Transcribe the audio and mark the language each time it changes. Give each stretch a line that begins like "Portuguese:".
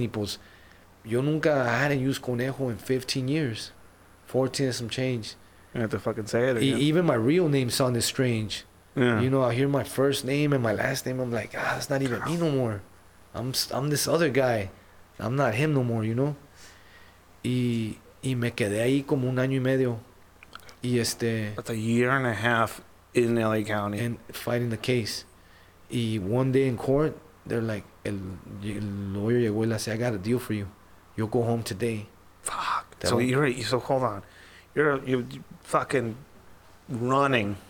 Spanish: Y pues, yo nunca,
English: I hadn't used Conejo in 15 years, 14 and some change. You have to fucking say it again. Even my real name sounded strange. Yeah. You know, I hear my first name and my last name. I'm like, ah, that's not even me no more. I'm this other guy. I'm not him no more, you know?
Spanish: Y me quedé ahí como un año y medio. Y este...
English: That's a year and a half in LA County. And fighting the case. Y one day in court, they're like,
Spanish: el lawyer llegó y le dice,
English: I got a deal for you. You'll go home today. Fuck. So hold on. You're fucking running.